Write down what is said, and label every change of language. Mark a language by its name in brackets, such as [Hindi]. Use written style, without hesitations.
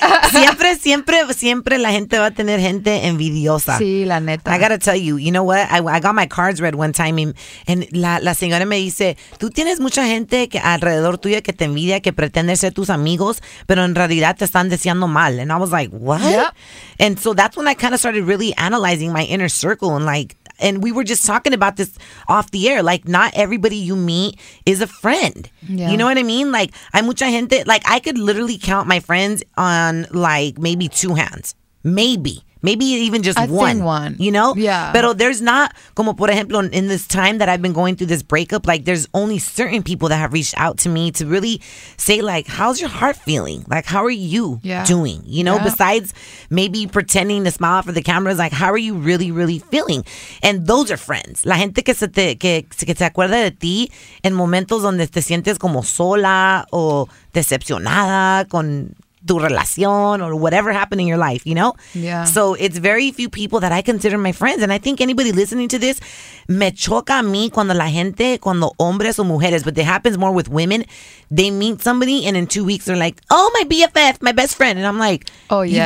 [Spanish] Siempre, siempre, siempre la gente va a tener gente envidiosa. Sí, la neta. [English] I gotta tell you, you know what? I got my cards read one time and [Spanish] la señora me dice, tú tienes mucha gente que alrededor tuya que te envidia, que pretende ser tus amigos, pero en realidad te están deseando mal. [English] And I was like, what? Yep. And so that's when I kind of started really analyzing my inner circle and like, and we were just talking about this off the air. Like, not everybody you meet is a friend. Yeah. You know what I mean? Like, [Spanish] hay mucha gente, [English] like, I could literally count my friends on, like, maybe two hands. Maybe. Maybe even just one. You know? Yeah. [Spanish] Pero [English] there's not, [Spanish] como por ejemplo, [English] in this time that I've been going through this breakup, like, there's only certain people that have reached out to me to really say, like, how's your heart feeling? Like, how are you doing? You know, besides maybe pretending to smile for the cameras, like, how are you really, really feeling? And those are friends. [Spanish] La gente que se acuerda de ti en momentos donde te sientes como sola o decepcionada con... tu relación [English] or whatever happened in your life, you know? Yeah. So it's very few people that I consider my friends. And I think anybody listening to this, [Spanish] me choca a mí cuando la gente, cuando hombres o mujeres, [English] but it happens more with women, they meet somebody and in 2 weeks they're like, oh, my BFF, my best friend. And I'm like, oh, yes.